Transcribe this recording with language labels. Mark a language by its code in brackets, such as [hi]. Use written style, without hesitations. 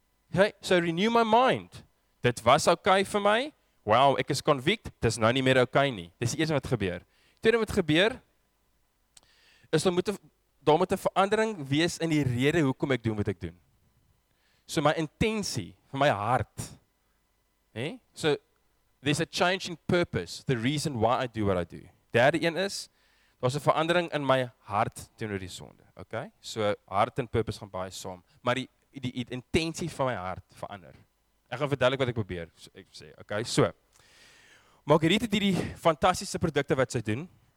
[en] Okay, so renew my mind. [af] Dit was okay vir my. Wow, ek is convict, dis nou nie meer okay nie. Dis die eerste wat gebeur. Tweede wat gebeur is daar moet 'n verandering wees in die rede hoekom ek doen wat ek doen. So my intensie van my hart. Hè? [en] So there's a change in purpose, the reason why I do what I do. [af] Derde een is daar's 'n verandering in my hart teenoor die sonde. Okay? So hart en purpose gaan baie saam, maar die intensie van my hart verander. Ek gaan verduidelik wat ek probeer ek sê. Okay? So Margarita het hierdie fantastiese produkte wat sy doen.